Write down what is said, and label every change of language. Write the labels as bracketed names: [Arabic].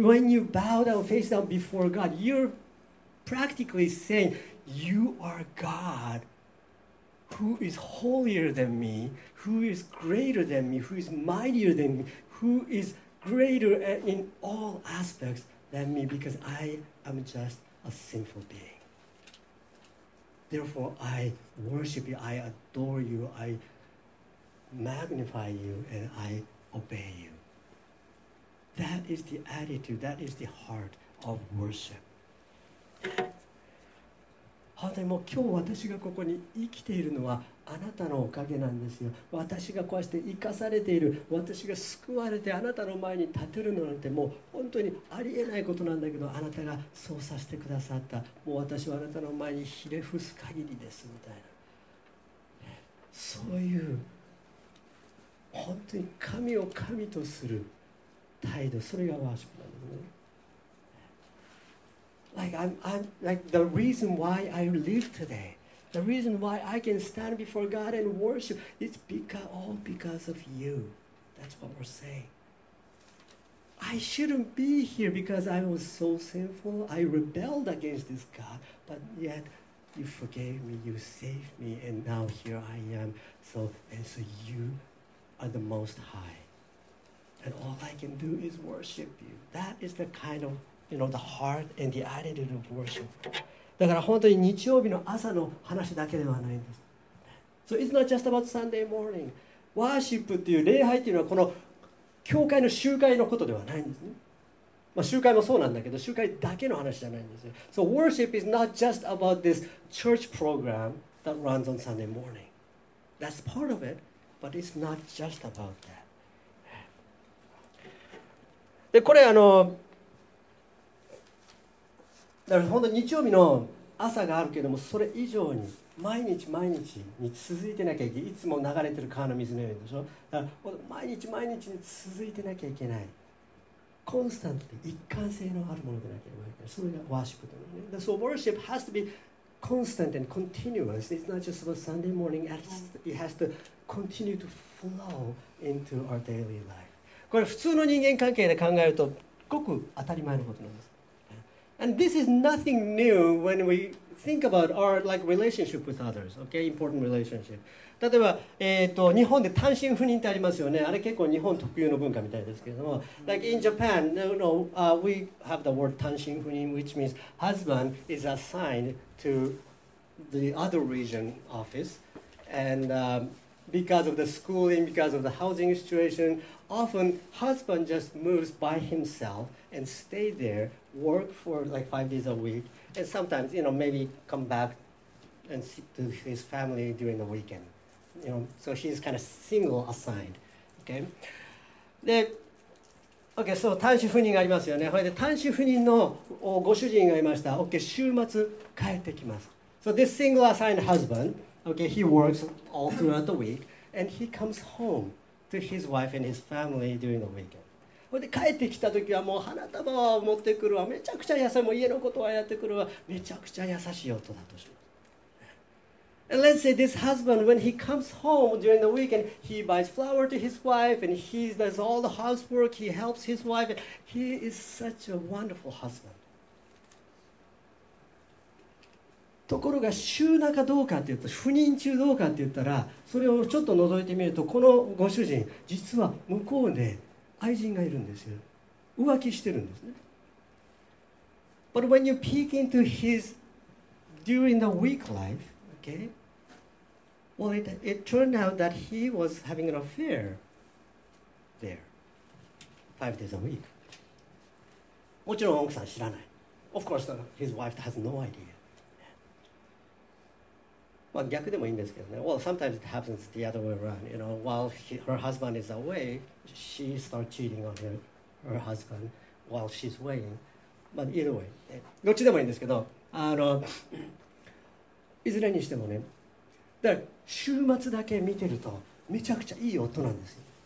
[English] So when you bow down face down before God you're practically saying you are God who is holier than me who is greater than me who is mightier than me who isGreater in all aspects than me because I am just a sinful being. Therefore, I worship you, I adore you, I magnify you, and I obey you. That is the attitude, that is the heart of worship. [Japanese] 本当にもう今日私がここに生きているのはあなたのおかげなんですよ。私がこうして生かされている私が救われてあなたの前に立てるのなんてもう本当にありえないことなんだけどあなたがそうさせてくださったもう私はあなたの前にひれ伏す限りですみたいなそういう本当に神を神とする態度それがワーシップなんですね。 [English] Like Like I'm like the reason why I live today, the reason why I can stand before God and worship, it's because all because of you. That's what we're saying. I shouldn't be here because I was so sinful. I rebelled against this God, but yet you forgave me, you saved me, and now here I am. So you are the Most High. And all I can do is worship you. That is the kind of, you know, the heart and the attitude of worship. [Japanese] だから本当に日曜日の朝の話だけではないんです。 [English] So it's not just about Sunday morning. [Japanese] Worship っていう礼拝っていうのはこの教会の集会のことではないんですね。まあ、集会もそうなんだけど、集会だけの話じゃないんですよ。 [English] So worship is not just about this church program that runs on Sunday morning. That's part of it, but it's not just about that. [Japanese] で、これあの、だから本当に日曜日の朝があるけども、それ以上に毎日毎日に続いてなきゃいけない。いつも流れてる川の水のようにでしょ。だから毎日毎日に続いてなきゃいけない。コンスタントで一貫性のあるものでなければいけない。それがワーシップだよね。 [English] So worship has to be constant and continuous. It's not just about Sunday morning. It has to continue to flow into our daily life. [Japanese] これ普通の人間関係で考えるとごく当たり前のことなんです。 [English] And this is nothing new when we think about our like relationship with others. Okay, important relationship. [Japanese] 例えば、日本で単身赴任ってありますよね。あれ結構日本特有の文化みたいですけれども、 [English] like in Japan, you know, we have the word 単身赴任, which means husband is assigned to the other region office, and because of the schooling, because of the housing situation, often husband just moves by himself and stay there. Work for like 5 days a week, and sometimes you know maybe come back and see to his family during the weekend. You know, so he's kind of single assigned. Okay. [Japanese] で、 [English] okay, so [Japanese] 単身赴任がありますよね。それで単身赴任のご主人がいました。 [English] Okay, [Japanese] 週末帰ってきます。 [English] So this single assigned husband, okay, he works all throughout the week, and he comes home to his wife and his family during the weekend. [Japanese] それで帰ってきたときはもう花束を持ってくるわ、めちゃくちゃ優しい、もう家のことはやってくるわ、めちゃくちゃ優しい夫だとします。 [English] And let's say this husband, when he comes home during the weekend, he buys flower to his wife, and he does all the housework, he helps his wife, and he is such a wonderful husband. [Japanese] ところが週中どうかって言ったら、赴任中どうかって言ったら、それをちょっと覗いてみると、このご主人、実は向こうで、愛人がいるんですよ。浮気してるんですね。 [English] But when you peek into his during the week life, okay, well, it turned out that he was having an affair there, 5 days a week. [Japanese] もちろん奥さん知らない。 [English] Of course, his wife has no idea. [Japanese] まあ逆でもいいんですけどね。 [English] Well, sometimes it happens the other way around. You know, while her husband is away,She starts cheating on her husband while she's waiting. But either way, [Japanese] どっちでもいいんですけど、あのいずれにしてもね、だから週末だけ見てるとめちゃくちゃいい夫なんですよ。